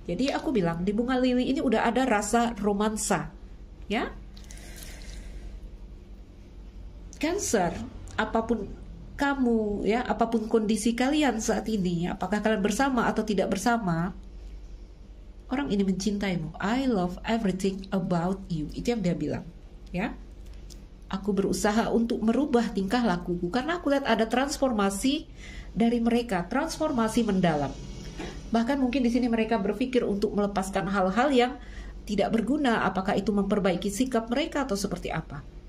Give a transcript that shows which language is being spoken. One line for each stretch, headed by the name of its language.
Indonesian: Jadi aku bilang di bunga lili ini udah ada rasa romansa, ya. Cancer, apapun kamu ya, apapun kondisi kalian saat ini, apakah kalian bersama atau tidak bersama, orang ini mencintaimu.
English: I love everything about you.
Indonesian: Itu yang dia bilang, ya. Aku berusaha untuk merubah tingkah lakuku karena aku lihat ada transformasi dari mereka, transformasi mendalam. Bahkan mungkin di sini mereka berpikir untuk melepaskan hal-hal yang tidak berguna, apakah itu memperbaiki sikap mereka atau seperti apa.